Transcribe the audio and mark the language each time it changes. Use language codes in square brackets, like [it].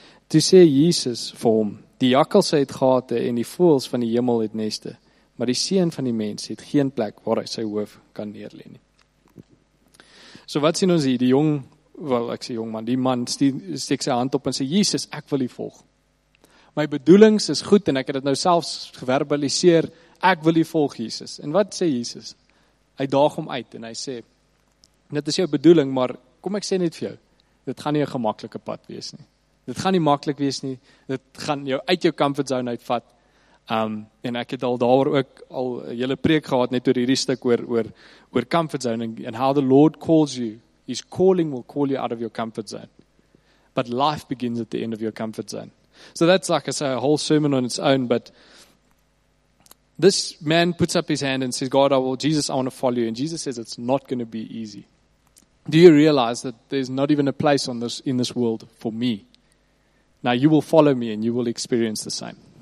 [af] Toe sê Jesus vir hom, die jakkals het gate en die voëls van die hemel het neste, maar die seun van die mens het geen plek waar hy sy hoof kan neerlê nie. So wat sien ons hier, die jong, wel ek sê jong man, die man steek sy hand op en sê, Jesus, ek wil u volg. My bedoelings is goed en ek het dit nou selfs geverbaliseer. Ek wil u volg, Jesus. En wat sê Jesus? Hy daag hom uit en hy sê, dit is jou bedoeling, maar kom ek sê net vir jou, dit gaan nie 'n gemaklike pad wees nie. Dit gaan nie maklik wees nie. Dit gaan jou uit jou comfort zone uitvat. En ek het al daaroor ook al 'n hele preek gehad net oor hierdie stuk oor comfort zone [en] and how the Lord calls you. His calling will call you out of your comfort zone. But life begins at the end of your comfort zone. So that's like I say, a whole sermon on its own, but this man puts up his hand and says, God, Jesus, I want to follow you. And Jesus says, it's not going to be easy. Do you realize that there's not even a place on this in this world for me? Now you will follow me and you will experience the same.